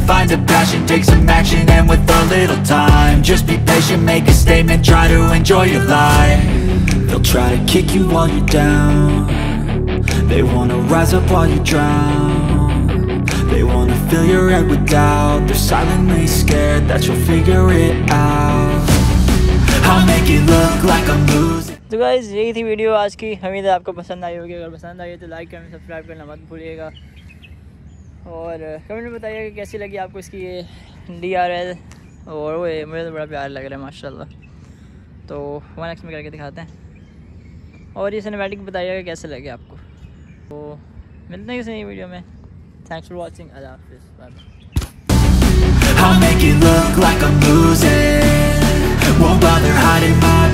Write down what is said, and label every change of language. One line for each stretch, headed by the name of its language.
English: Find a passion, take some action, and with a little time, just be patient, make a statement, try to enjoy your life. They'll try to kick you while you're down. They wanna rise up while you drown. They wanna fill your head with doubt. They're silently scared that you'll figure it out. I'll make it look like I'm losing.
Hindi: तो guys यही थी video आज की, उम्मीद है आपको पसंद आई होगी, अगर पसंद आई है तो लाइक करें, सब्सक्राइब करना मत भूलिएगा और कमेंट में बताइए कि कैसी लगी आपको इसकी ये DRL और वो मुझे तो बड़ा प्यार लग रहा है माशाल्लाह, तो 1x में करके दिखाते हैं और ये सिनेमैटिक बताइए कि कैसे लगे आपको। तो मिलते हैं किसी नई वीडियो में,
English: thanks for watching,
Hindi: अल्लाह हाफिज़, bye bye.
English: I'll make it look like I'm losing, won't bother hiding my